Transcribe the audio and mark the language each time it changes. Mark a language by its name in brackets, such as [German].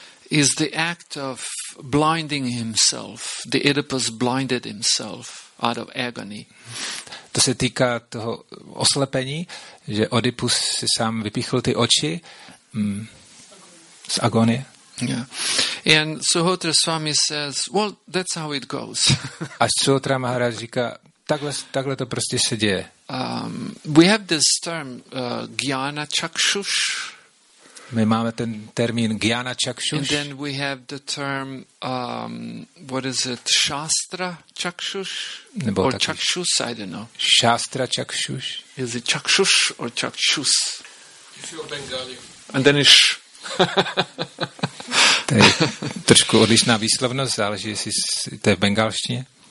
[English] is the act of blinding himself. The Oedipus blinded himself out of agony. [Czech] To se týká toho oslepení, že Oedipus si sám vypíchl ty oči z agonie. [English] Yeah. And Suhotra Swami says, well, that's how it goes. [Czech] A Suhotra Maharaj říká, Takhle to prostě se děje. [English] We have this term gyana chakshush. [Czech] My máme ten termín gyana chakshush. [English] And then we have the term what is it? [Sanskrit] Shastra chakshush [Czech] nebo [English] or chakshus, I don't know. [Sanskrit] Shastra chakshush. [English] Is it chakshush or chakshus? If you're Bengali. And then [Czech] to je trošku odlišná výslovnost, záleží, jestli to je v bengalštině.